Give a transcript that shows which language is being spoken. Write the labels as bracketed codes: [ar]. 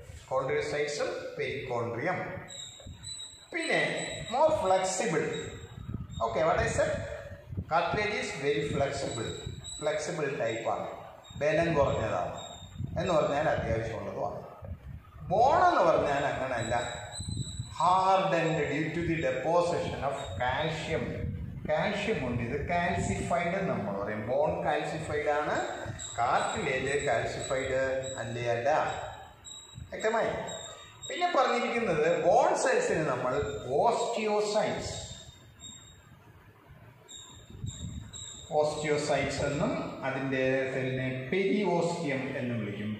[en] കോൺഡ്രിയോസൈറ്റ്സും പെരികോൺഡ്രിയം. പിന്നെ more flexible, okay. What is it? Cartilage is very flexible. [ml] Flexible ടൈപ്പാണ്, ബലം കുറഞ്ഞതാണ് എന്ന് പറഞ്ഞാൽ അത്യാവശ്യമുള്ളതുമാണ്. ബോണെന്ന് പറഞ്ഞാൽ അങ്ങനെയല്ല. [en] Hardened due to the deposition of calcium. [ml] Calcium ഉണ്ട്, ഇത് കാൽസിഫൈഡ് എന്ന് നമ്മൾ പറയും. ബോൺ കാൽസിഫൈഡ് ആണ്, കാർട്ടിലേജ് കാൽസിഫൈഡ് അല്ലേ? അല്ല, വ്യക്തമായി. പിന്നെ പറഞ്ഞിരിക്കുന്നത് ബോൺ സെൽസിന് നമ്മൾ ഓസ്റ്റിയോസൈറ്റ്സ്, ഓസ്റ്റിയോസൈറ്റ്സ് എന്നും അതിൻ്റെ സെല്ലിനെ പെരിയോസ്റ്റിയം എന്നും വിളിക്കും.